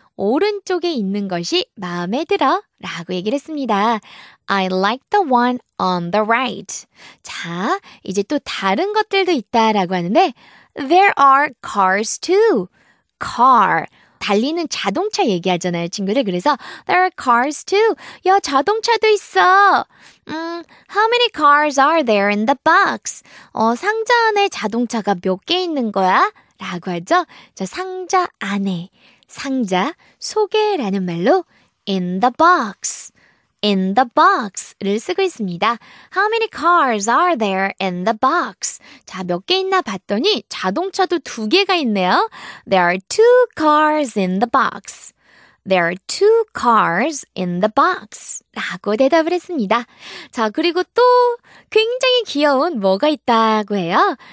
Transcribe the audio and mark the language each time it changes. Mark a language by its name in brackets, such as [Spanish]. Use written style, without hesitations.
[Korean] 오른쪽에 있는 것이 마음에 들어 라고 얘기를 했습니다. [English] I like the one on the right. [Korean] 자, 이제 또 다른 것들도 있다 라고 하는데 [English] There are cars too. [Korean] Car, 달리는 자동차 얘기하잖아요, 친구들. 그래서 [English] There are cars too. [Korean] 야, 자동차도 있어. [English] How many cars are there in the box? [Korean] 상자 안에 자동차가 몇 개 있는 거야? 라고 하죠. 자, 상자 안에. 상자, 속에라는 말로 [English] in the box, in the box [Korean] 를 쓰고 있습니다. [English] How many cars are there in the box? [Korean] 자, 몇 개 있나 봤더니 자동차도 두 개가 있네요. [English] There are two cars in the box. There are two cars in the box. [Korean] 라고 대답을 했습니다. 자, 그리고 또 굉장히 귀여운 뭐가 있다고 해요?